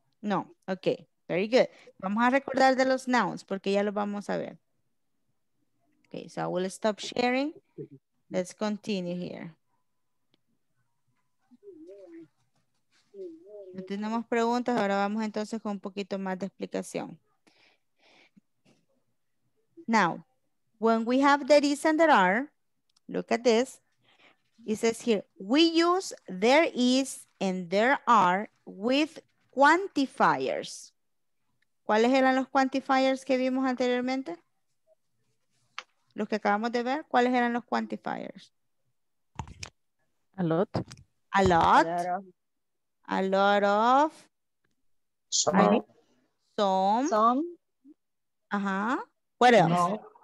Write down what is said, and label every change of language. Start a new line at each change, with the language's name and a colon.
Spanish: No. Ok.
English: Very good.
Spanish: Vamos a recordar de los nouns porque ya lo vamos a ver. Ok.
English: So I will stop sharing. Let's continue here.
Spanish: No tenemos preguntas. Ahora vamos entonces con un poquito más de explicación.
English: Now, when we have there is and there are, look at this. It says here, we use there is and there are with quantifiers.
Spanish: ¿Cuáles eran los quantifiers que vimos anteriormente? Los que acabamos de ver, ¿cuáles eran los quantifiers?
English: A lot. A lot. A lot of. Some. Some. Some. Ajá. What else?